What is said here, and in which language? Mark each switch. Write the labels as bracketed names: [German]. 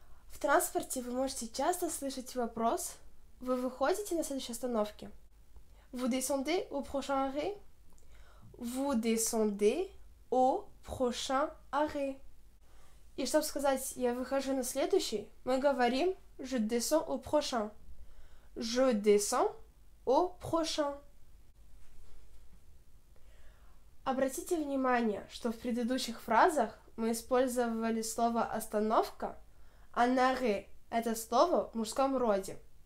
[Russian] В транспорте вы можете часто слышать вопрос: вы выходите на следующей остановке? [French] Vous descendez au prochain arrêt? Vous descendez au prochain arrêt? [Russian] И чтобы сказать «я выхожу на следующий», мы говорим [French] «je descends au prochain». «Je descends au prochain». [Russian] Обратите внимание, что в предыдущих фразах мы использовали слово «остановка», а «arrêt» — это слово в мужском роде.